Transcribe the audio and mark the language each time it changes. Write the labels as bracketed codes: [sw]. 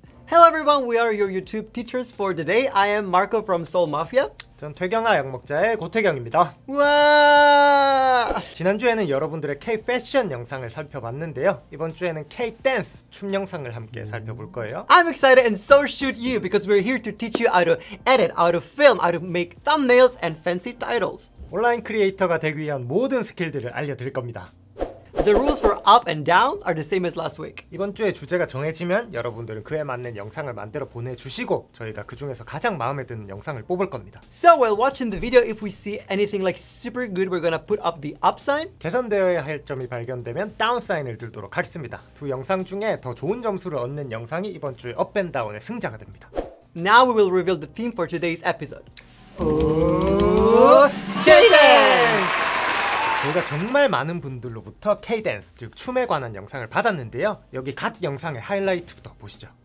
[en] Hello everyone, we are your YouTube teachers for today. I am Marco from Soul Mafia. [ko] 전 퇴경아 약먹자의 고태경입니다. 우와! 지난주에는 여러분들의 K-패션 영상을 살펴봤는데요. 이번주에는 K-댄스 춤 영상을 함께 살펴볼 거예요. [en] I'm excited and so should you because we're here to teach you how to edit, how to film, how to make thumbnails and fancy titles. [ko] 온라인 크리에이터가 되기 위한 모든 스킬들을 알려드릴 겁니다. [en] The rules for up and down are the same as last week. [ko] 이번 주에 주제가 정해지면 여러분들은 그에 맞는 영상을 만들어 보내주시고 저희가 그 중에서 가장 마음에 드는 영상을 뽑을 겁니다. [en] So while watching the video, if we see anything like super good, we're gonna put up the up sign. [ko] 개선되어야 할 점이 발견되면 down 사인을 들도록 하겠습니다. 두 영상 중에 더 좋은 점수를 얻는 영상이 이번 주에 up and down의 승자가 됩니다. [en] Now we will reveal the theme for today's episode. K-Dance! [ko] 저희가 정말 많은 분들로부터 K-Dance, 즉 춤에 관한 영상을 받았는데요. 여기 각 영상의 하이라이트부터 보시죠.